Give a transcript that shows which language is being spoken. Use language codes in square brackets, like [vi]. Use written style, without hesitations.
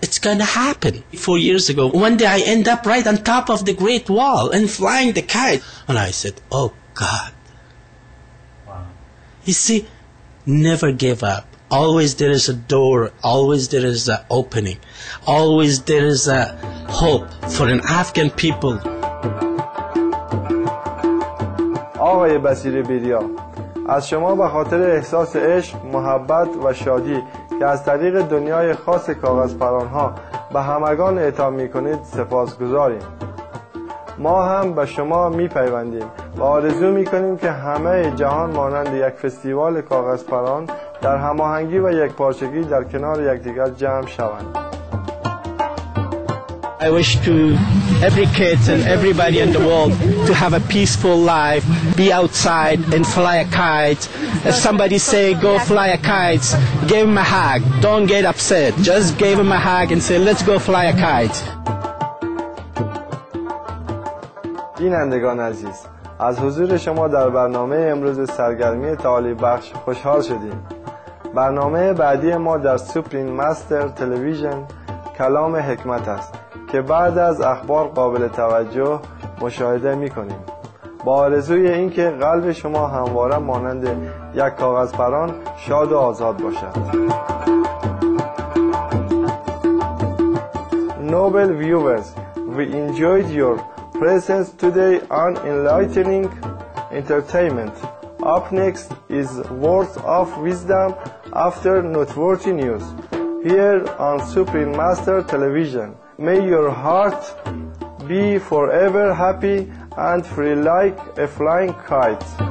[en] It's going to happen. 4 years ago, one day I end up right on top of the Great Wall and flying the kite. And I said, oh, God. Wow. You see, never give up. Always there is a door, always there is an opening, always there is a hope for an Afghan people. [fa] آقای بصیر بیدیا، از شما به خاطر احساس عشق، محبت و شادی که از طریق دنیای خاص کاغذپران ها به همگان اعطا می کنید سپاسگزاریم. ما هم به شما میپیوندیم و آرزو میکنیم که همه جهان مانند یک فستیوال کاغذپران در هماهنگی و یک پارچگی در کنار یکدیگر جمع شوند. [en] I wish to every kid and everybody in the world to have a peaceful life, be outside and fly a kite. If somebody say go fly a kite, give him a hug. Don't get upset. Just give him a hug and say let's go fly a kite. [fa] بینندگان عزیز، از حضور شما در برنامه امروز سرگرمی تعالی بخش خوشحال شدیم. برنامه بعدی ما در سوپرین مستر تلویزیون کلام حکمت است که بعد از اخبار قابل توجه مشاهده می کنیم. با آرزوی اینکه قلب شما همواره مانند یک کاغذپران شاد و آزاد باشد. [en] Noble viewers, we enjoyed your presence today on enlightening entertainment. Up next is words of wisdom after noteworthy news here on Supreme Master Television. May your heart be forever happy and free like a flying kite.